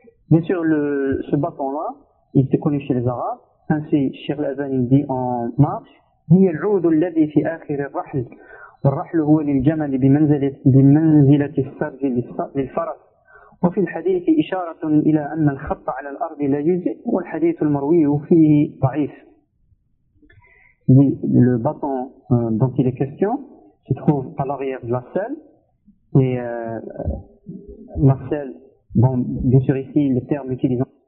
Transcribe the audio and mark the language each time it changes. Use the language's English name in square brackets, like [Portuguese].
[French] Bien sûr, ce bâton-là, il était connu chez les Arabes. Ainsi, Cheikh Al-Azani dit en marche, [Arabic] هي العود الذي في آخر الرحل والرحل هو للجمل بمنزلة السرج للفرس وفي الحديث إشارة إلى أن الخط على الأرض لا يجزئ والحديث المروي فيه ضعيف. [French] Le bâton dont il est question se trouve à l'arrière de la selle et la selle, bon, bien sûr ici le terme utilisant